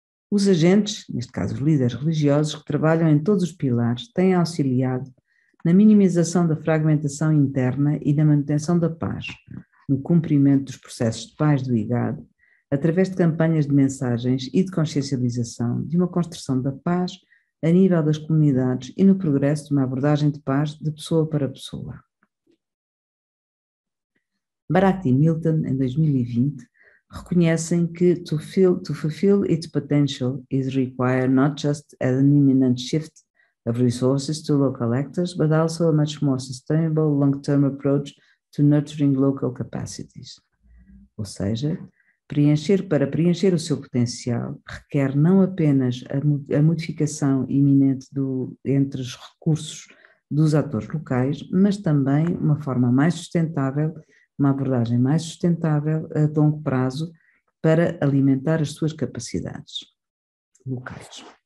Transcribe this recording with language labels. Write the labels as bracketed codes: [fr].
[pt] Os agentes, neste caso os líderes religiosos, que trabalham em todos os pilares, têm auxiliado na minimização da fragmentação interna e na manutenção da paz, no cumprimento dos processos de paz do IGAD, através de campanhas de mensagens e de consciencialização de uma construção da paz a nível das comunidades e no progresso de uma abordagem de paz de pessoa para pessoa. Barat e Milton, em 2020, reconhecem que [en] to fulfill its potential is required not just an imminent shift of resources to local actors, but also a much more sustainable long-term approach to nurturing local capacities. [pt] Ou seja, para preencher o seu potencial requer não apenas a modificação iminente entre os recursos dos atores locais, mas também uma forma mais sustentável, uma abordagem mais sustentável a longo prazo para alimentar as suas capacidades locais.